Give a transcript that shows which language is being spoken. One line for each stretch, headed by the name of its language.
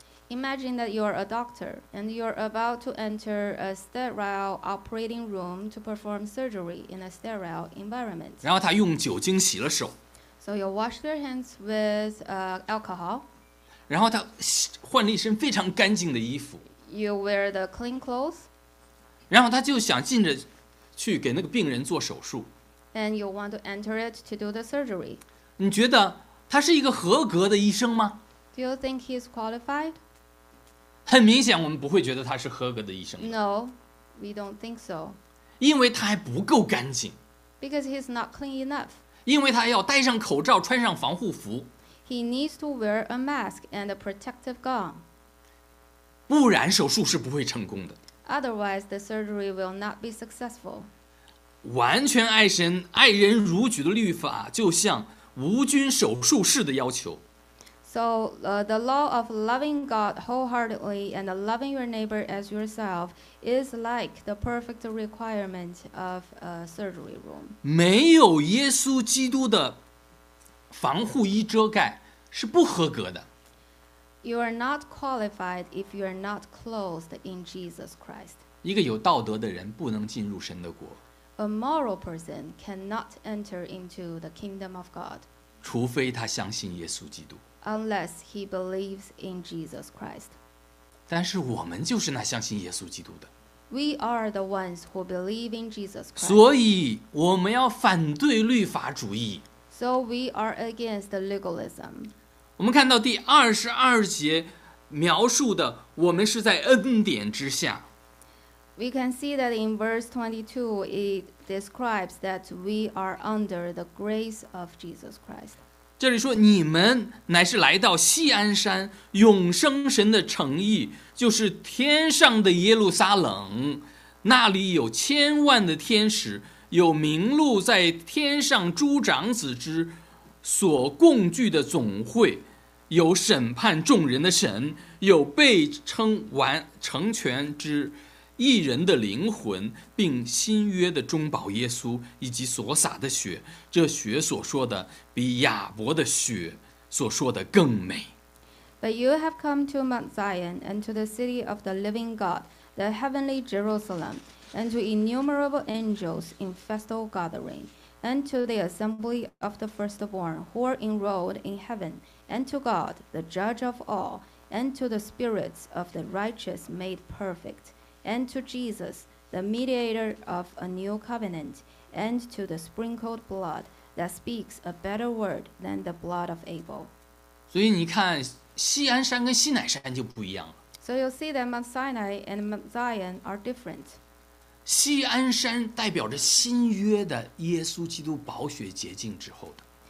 English: Imagine that you are a doctor and you are about to enter a sterile operating room to perform surgery in a sterile environment.
Chinese: 然后他用酒精洗了手。
English: So you wash your hands with alcohol.
Chinese: 然后他换了一身非常干净的衣服。
English: You wear the clean clothes.
Chinese: 然后他就想进着去给那个病人做手术。
English: And you want to enter it to do the surgery.
Chinese: 你觉得他是一个合格的医生吗？
English: Do you think he is qualified?
Chinese: 很明显我们不会觉得他是合格的医生的。
English: No, we don't think so.
Chinese: 因为他还不够干净。
English: Because he's not clean enough.
Chinese: 因为他要戴上口罩，穿上防护服。
English: He needs to wear a mask and a protective gown.
Chinese: 不然手术是不会成功的。
English: Otherwise, the surgery will not be successful.
Chinese: 完全爱神、爱人如己的律法，就像无菌手术室的要求。
English: So the law of loving God wholeheartedly and loving your neighbor as yourself is like the perfect requirement of a surgery room.
Chinese: 没有耶稣基督的防护衣遮盖是不合格的。
English: You are not qualified if you are not clothed in Jesus Christ.
Chinese: 一个有道德的人不能进入神的国。
English: A moral person cannot enter into the kingdom of God.
Chinese: 除非他相信耶稣基督。
English: Unless he believes in Jesus Christ.
Chinese: 但是我们就是那相信耶稣基督的。
English: We are the ones who believe in Jesus Christ.
Chinese: 所以我们要反对律法主义。
English: So we are against legalism.
Chinese: 我们看到第二十二节描述的，我们是在恩典之下。
English: We can see that in verse 22, it describes that we are under the grace of Jesus Christ.
Chinese: 这里说你们乃是来到锡安山永生神的城邑，就是天上的耶路撒冷，那里有千万的天使，有名录在天上诸长子之所共聚的总会，有审判众人的神，有被称完成全之一人的灵魂，并新约的中保耶稣以及所洒的血，这血所说的比亚伯的血所说的更美。
English: But you have come to Mount Zion and to the city of the living God, the heavenly Jerusalem, and to innumerable angels in festal gathering, and to the assembly of the firstborn who are enrolled in heaven, and to God, the judge of all, and to the spirits of the righteous made perfect. And to Jesus, the mediator of a new covenant, and to the sprinkled blood that speaks a better word than the blood of Abel.
Chinese: 所以你看，锡安山跟西乃山就不一样了。
English: So you see that Mount Sinai and Mount Zion are different.
Chinese: 锡安山代表着新约的耶稣基督宝血洁净之后的。